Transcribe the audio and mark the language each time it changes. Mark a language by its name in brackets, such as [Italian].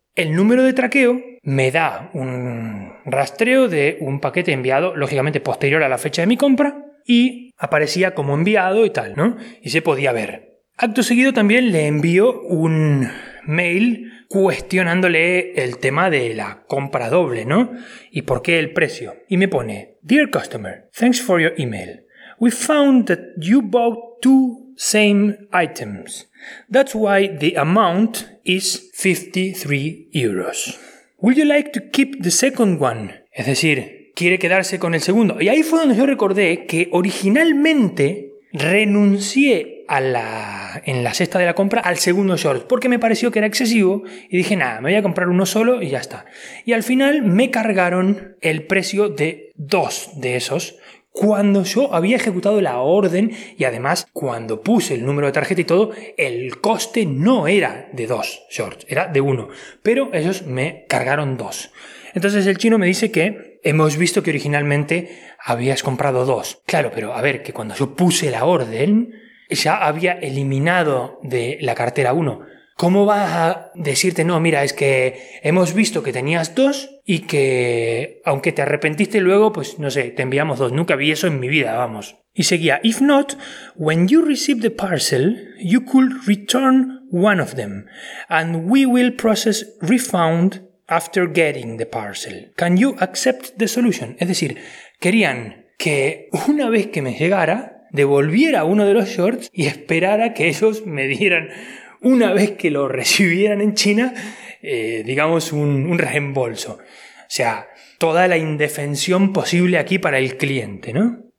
[Spanish] El número de traqueo me da un rastreo de un paquete enviado, lógicamente posterior a la fecha de mi compra, y aparecía como enviado y tal, ¿no? Y se podía ver. Acto seguido también le envío un mail cuestionándole el tema de la compra doble, ¿no? Y por qué el precio. Y me pone, [English] Dear customer, thanks for your email. We found that you bought two same items. That's why the amount is 53 euros. Would you like to keep the second one? [Spanish] Es decir, quiere quedarse con el segundo. Y ahí fue donde yo recordé que originalmente renuncié en la cesta de la compra al segundo short, porque me pareció que era excesivo y dije, nada, me voy a comprar uno solo y ya está. Y al final me cargaron el precio de dos de esos cuando yo había ejecutado la orden, y además cuando puse el número de tarjeta y todo, el coste no era de dos shorts, era de uno. Pero ellos me cargaron dos. Entonces el chino me dice que hemos visto que originalmente habías comprado dos. Claro, pero a ver, que cuando yo puse la orden ya había eliminado de la cartera uno. ¿Cómo vas a decirte, no, mira, es que hemos visto que tenías dos y que aunque te arrepentiste luego, pues no sé, te enviamos dos? Nunca vi eso en mi vida, vamos. Y seguía, [English] if not, when you receive the parcel, you could return one of them and we will process refund after getting the parcel. Can you accept the solution? [Spanish] Es decir, querían que una vez que me llegara, devolviera uno de los shorts y esperara que ellos me dieran, una vez que lo recibieran en China, digamos un reembolso. O sea, toda la indefensión posible aquí para el cliente, ¿no?